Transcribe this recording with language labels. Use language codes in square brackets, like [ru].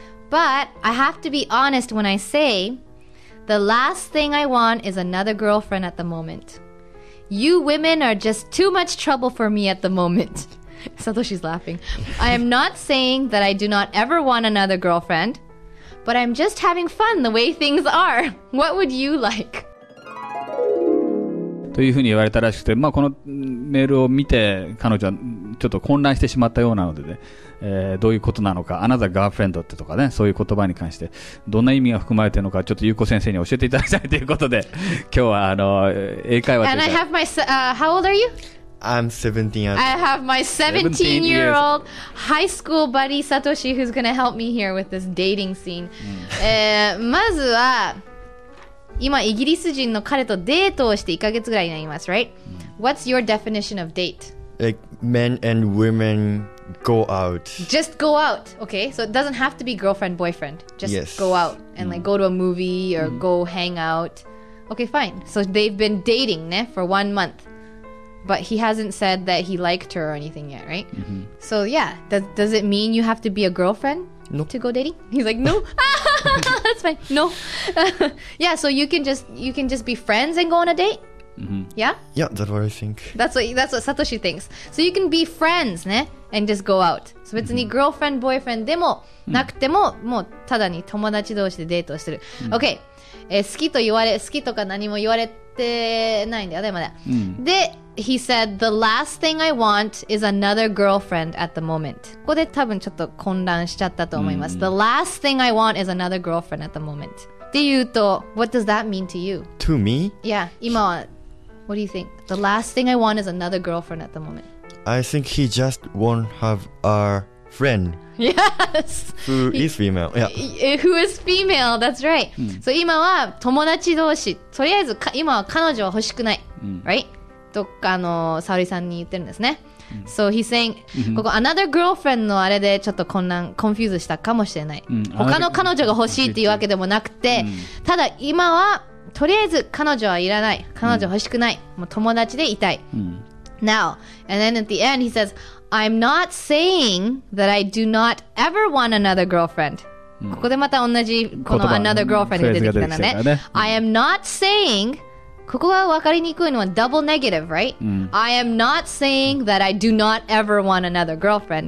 [en] But I have to be honest when I say, the last thing I want is another girlfriend at the moment. You women are just too much trouble for me at the moment. Satoshi's laughing. I am not saying that I do not ever want another girlfriend, but I'm just having fun the way things are. What would you like? [ja] というふうに言われたらしくて、まあ、このメールを見て彼女はちょっと混乱してしまったようなので、ね、どういうことなのか、 [en] another girlfriend [ja] ってとかね、そういう言葉に関してどんな意味が含まれているのか、ちょっと優子先生に教えていただきたいということで、今日はあの英会話 [en] で。And I have my, how old are you? I'm 17 years old. I have my 17-year-old high school buddy Satoshi who's going to help me here with this dating scene. [ja] 、まずは、今イギリス人の彼とデートをして1ヶ月ぐらいになります、 [en] right? What's your definition of date? Like men and women... Go out. Just go out. Okay, so it doesn't have to be girlfriend, boyfriend. Just、 go out and、mm. like go to a movie or、mm. go hang out. Okay, fine. So they've been dating, ne, for 1 month. But he hasn't said that he liked her or anything yet, right?、 Mm-hmm. So yeah, does it mean you have to be a girlfriend、 nope. to go dating? He's like, no. That's fine. No. yeah, so you can just be friends and go on a date? Mm-hmm. Yeah? Yeah, that's what I think. That's what Satoshi thinks. So you can be friends, ne? And just go out. [ja] So 別に [en] girlfriend, boyfriend [ja] でもなくても、もうただに友達同士でデートをする。Okay. 好きと言われ、好きとか何も言われてないんだよ、でもね。 [en] で、he said, the last thing I want is another girlfriend at the moment. [ja] ここで多分ちょっと混乱しちゃったと思います。 [en] The last thing I want is another girlfriend at the moment. [ja] って言うと、 [en] What does that mean to you? To me? Yeah, [ja] 今は、 [en] What do you think? The last thing I want is another girlfriend at the moment. I think he just won't have a friend. Yes! Who is female, yeah. Who is female, that's right.、Mm. [ja] So 今は友達同士、とりあえず今は彼女は欲しくない、mm. [en] right? [ja] どっかの沙織さんに言ってるんですね。 [en] So he's saying、mm-hmm. [ja] ここ [en] another girlfriend [ja] のあれでちょっと混乱コンフューズしたかもしれない、うん、他の彼女が欲しいっていうわけでもなくて、うん、ただ今はとりあえず彼女はいらない彼女欲しくない、うん、もう友達でいたい、うん、 [en] Now and then at the end he says I'm not saying that I do not ever want another girlfriend、 [ja] うん、ここでまた同じこの [en] another girlfriend [ja] が出てきたのね、 [en] うん、I am not saying [ja] ここが分かりにくいのは [en] double negative, right?、 [ja] うん、 [en] I am not saying that I do not ever want another girlfriend.、